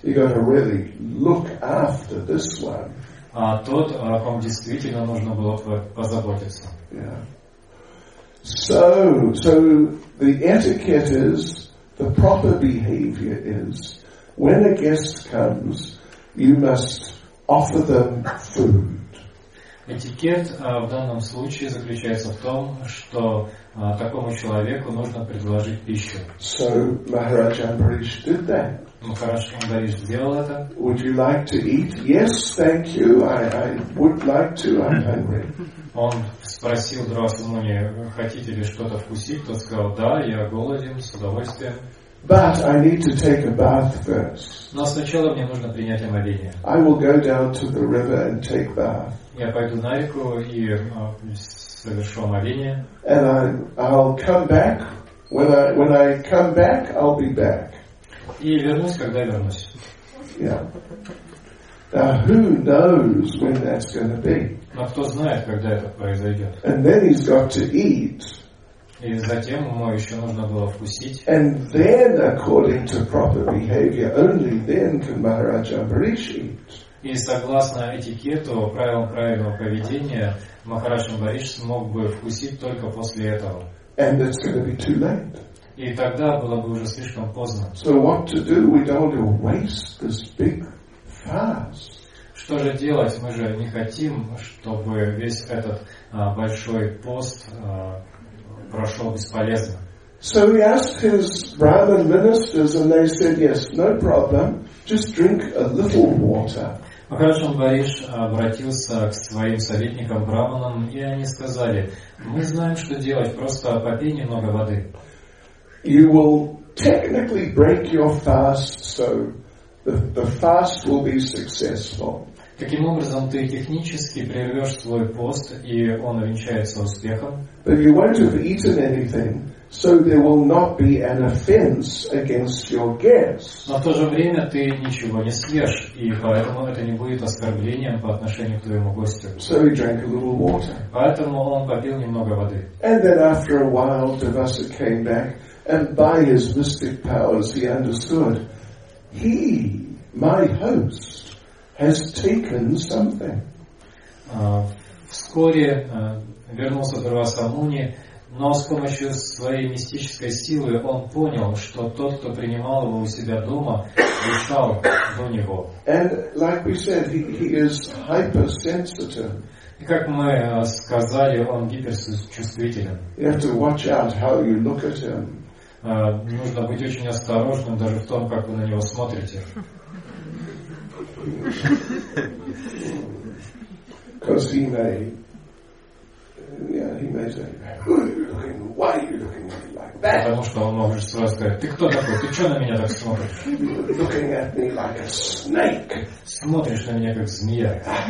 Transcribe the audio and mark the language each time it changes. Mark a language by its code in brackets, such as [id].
[en] You got to really look after this one. [ru] А тот, о ком действительно нужно было позаботиться. [en] So the etiquette is, the proper behavior is, when a guest comes, you must offer them food. [ru] Этикет в данном случае заключается в том, что такому человеку нужно предложить пищу. [en] So Maharaj Ambarish did that. [ru] Махарадж Амбариш сделал это. [en] Would you like to eat? Yes, thank you. I would like to. I'm hungry. [ru] Он спросил Дурвасамуни, хотите ли что-то вкусить? Тот сказал, да, я голоден, с удовольствием. [en] But I need to take a bath first. [ru] Но сначала мне нужно принять омовение. [en] I will go down to the river and take bath. [ru] Я пойду на реку и совершу омовение. [en] And I'll come back. When I come back, I'll be back. [ru] И вернусь, когда вернусь. [en] Yeah. Now who knows when that's going to be? [ru] Но кто знает, когда это произойдет? [en] And then he's got to eat. [ru] И затем ему еще нужно было вкусить. [en] And then, according to proper behavior, only then can Maharaj Ambarish eat. [ru] И согласно этикету, правилам правильного поведения, Махарадж Амбариш смог бы вкусить только после этого. [en] And it's going to be too late. [ru] И тогда было бы уже слишком поздно. [en] So what to do? We don't want to waste this big fast. [ru] Что же делать? Мы же не хотим, чтобы весь этот большой пост прошел бесполезно. [en] So he asked his Brahmin ministers, and they said, yes, no problem, just drink a little water. [ru] Махарадж Амбариш обратился к своим советникам Брахманам, и они сказали, мы знаем, что делать, просто попей немного воды. [en] You will technically break your fast, so the fast will be successful. [ru] Таким образом, ты технически прервешь свой пост, и он увенчается успехом. [en] But you won't have eaten anything, so there will not be an offense against your guests. [ru] Но в то же время ты ничего не съешь, и поэтому это не будет оскорблением по отношению к твоему гостю. [en] So he drank a little water. [ru] Поэтому он попил немного воды. [en] And then after a while, Devasa came back. And by his mystic powers, he understood, he, my host, has taken something. [ru] Вскоре вернулся Дурвасамуни, но с помощью своей мистической силы он понял, что тот, кто принимал его у себя дома, дышал в него. [en] And like we said, he is hypersensitive. [ru] И как мы сказали, он гиперчувствителен. [en] You have to watch out how you look at him. [ru] Нужно быть очень осторожным даже в том, как вы на него смотрите. [en] Because he may, yeah, he may say, who are you looking at? Why are you looking at me like that? [ru] Потому что он может сразу сказать, ты кто такой? Ты что на меня так смотришь? [en] You're looking at me like a snake. [ru] Смотришь на меня как змея.